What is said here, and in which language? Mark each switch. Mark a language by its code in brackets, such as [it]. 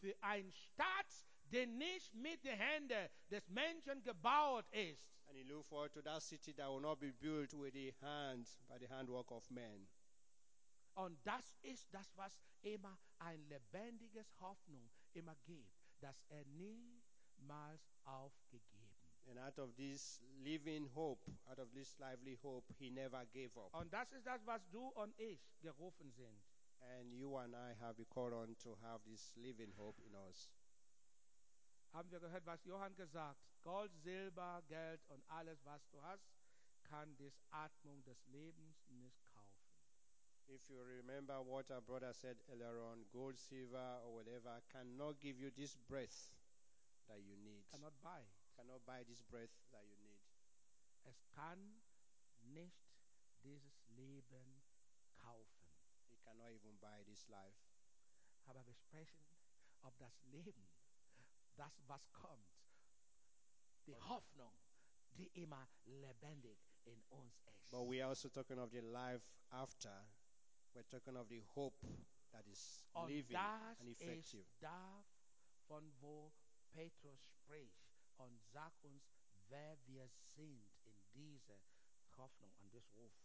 [de] Für einen Staat, den nicht mit den Händen des Menschen gebaut ist. [en] And he looked forward to that city that will not be built with the hands, by the handwork of men. [de] Und das ist das, was immer ein lebendiges Hoffnung immer gibt, dass er niemals aufgegeben. [en] And out of this living hope, out of this lively hope, he never gave up. [de] Und das ist das, was du und ich gerufen sind. [en] And you and I have been called on to have this living hope in us. [de] Haben wir gehört, was Johann gesagt? Gold, Silber, Geld und alles, was du hast, kann die Atmung des Lebens nicht kaufen. [en] If you remember what our brother said earlier on, gold, silver or whatever cannot give you this breath that you need. Cannot buy this breath that you need. [de] Es kann nicht dieses Leben kaufen. [en] It cannot even buy this life. [de] Aber wir sprechen ob das Leben, das, was kommt, die Hoffnung, die immer lebendig in uns ist. [en] But we are also talking of the life after. We're talking of the hope that is [de] und [en] living [de] das [en] and effective. [de] Ist da, von wo Petrus spricht und sagt uns, wer wir sind in dieser Hoffnung und this Ruf.